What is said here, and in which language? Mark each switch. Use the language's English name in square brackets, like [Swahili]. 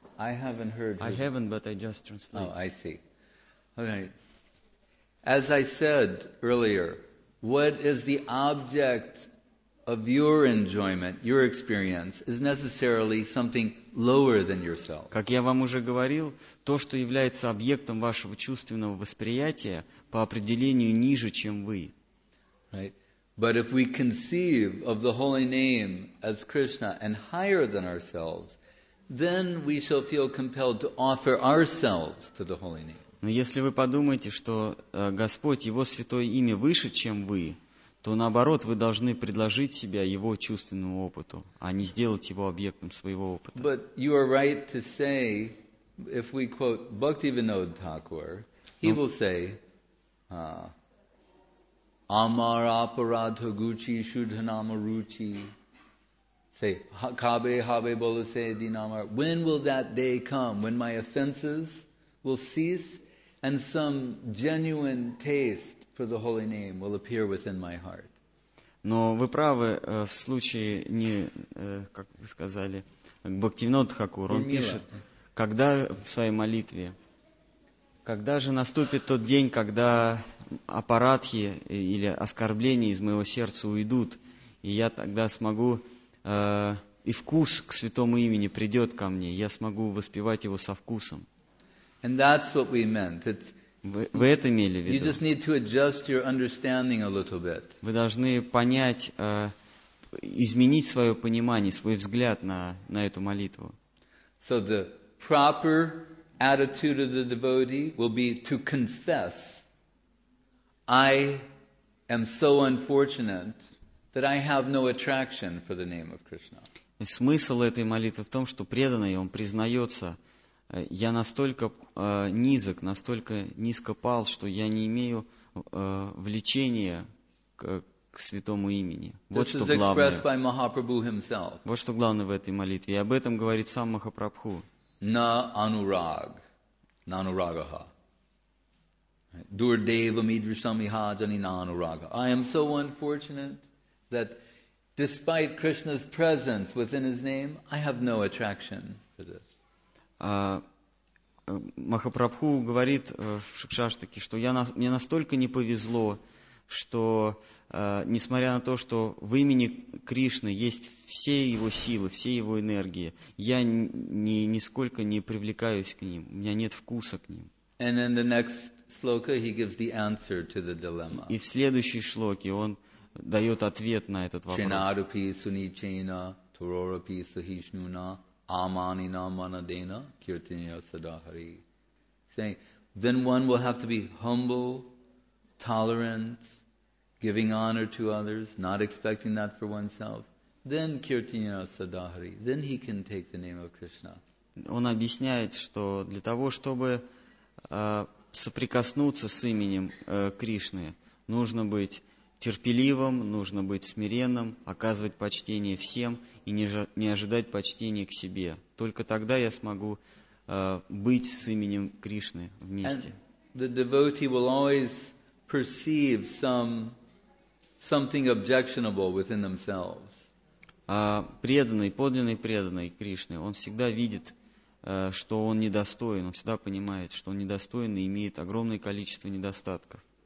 [English] I haven't heard. I haven't, but I just translated. Oh, I see. All right. As I said earlier, what is the object of your enjoyment, your experience, is necessarily something lower than yourself. [Russian] Как я вам уже говорил, то, что является объектом вашего чувственного восприятия, по определению ниже, чем вы. [English] Right. But if we conceive of the holy name as Krishna and higher than ourselves, then we shall feel compelled to offer ourselves to the holy name. [Russian] Но если вы подумаете, что Господь, Его святое имя выше, чем вы, то наоборот, вы должны предложить себя Его чувственному опыту, а не сделать Его объектом своего опыта. [English] But you are right to say, if we quote Bhaktivinoda Thakur, he will say, [Bangla] Amar aparadha guchi shudhanama ruchi. [English] Say, [Bangla] Kabe Habe Bolase Dinamar, [English] when will that day come when my offenses will cease and some genuine taste for the holy name will appear within my heart? [Russian] Но вы правы в случае не, как вы сказали, Бхактивинода Тхакура. Он пишет, когда в своей молитве, когда же наступит тот день, когда апарадхи или оскорбления из моего сердца уйдут, и я тогда смогу. И вкус к святому имени придет ко мне, я смогу воспевать его со вкусом. [English] And that's what we meant. [Russian] Вы это имели в виду? [English] You just need to adjust your understanding a little bit. [Russian] Вы должны понять, изменить свое понимание, свой взгляд на эту молитву. [English] So the proper attitude of the devotee will be to confess, I am so unfortunate that I have no attraction for the name of Krishna. [Russian] Смысл этой молитвы в том, что преданный, он признается, я настолько низок, настолько низко пал, что я не имею влечения к святому имени. Вот что главное. [English] This is expressed by Mahaprabhu himself. [Russian] Вот что главное в этой молитве. И об этом говорит сам Махапрабху. [Sanskrit] На анураг. На анурагаха. Дурдева мидришамиха джани на анурага. [English] I am so unfortunate that despite Krishna's presence within his name, I have no attraction for this. [Russian] Махапрабху говорит в Шикшаштаке, что мне настолько не повезло, что несмотря на то, что в имени Кришны есть все его силы, все его энергии, я нисколько не привлекаюсь к ним, у меня нет вкуса к ним. [English] And in the next sloka, he gives the answer to the dilemma. [Russian] И в следующей шлоке он дает ответ на этот вопрос. [Sanskrit] Чинарупи суничейна, турорупи сухишнуна, аманина манадена, киртиня садахари. [English] Saying, then one will have to be humble, tolerant, giving honor to others, not expecting that for oneself. Then [Sanskrit] киртиня садахари. [English] Then he can take the name of Krishna. [Russian] Он объясняет, что для того, чтобы соприкоснуться с именем Кришны, нужно быть терпеливым, нужно быть смиренным, оказывать почтение всем и не ожидать почтения к себе. Только тогда я смогу быть с именем Кришны вместе. [English] And the devotee will always perceive something objectionable within themselves. [Russian] Преданный, подлинный преданный Кришны, он всегда видит, что он недостоин, он всегда понимает, что он недостоин и имеет огромное количество недостатков.